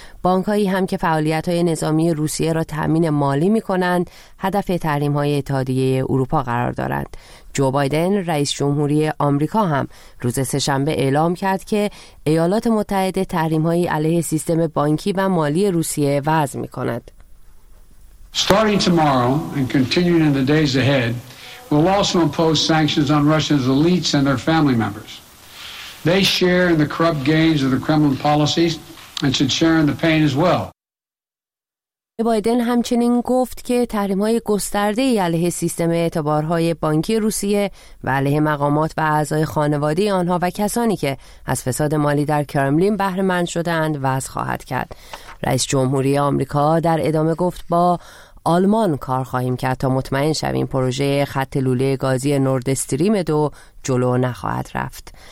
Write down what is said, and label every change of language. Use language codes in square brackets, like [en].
[fa] بانک‌هایی هم که فعالیت‌های نظامی روسیه را تأمین مالی می‌کنند، هدف تحریم‌های اتحادیه اروپا قرار دارند. جو بایدن، رئیس جمهوری آمریکا، هم روز سه‌شنبه اعلام کرد که ایالات متحده تحریم‌های علیه سیستم بانکی و مالی روسیه وضع می‌کند. [en] Starting tomorrow and continuing in the days ahead, we'll also impose sanctions on Russia's elites and their family members. They share in the corrupt gains of the Kremlin policies and should share in the pain as well. [fa] بایدن همچنین گفت که تحریم‌های گسترده علیه سیستم اعتبارهای بانکی روسیه و علیه مقامات و اعضای خانواده آنها و کسانی که از فساد مالی در کرملین بهره‌مند شده‌اند وضع خواهد کرد. رئیس جمهوری آمریکا در ادامه گفت با آلمان کار خواهیم کرد تا مطمئن شویم پروژه خط لوله گازی نورد استریم 2 جلو نخواهد رفت.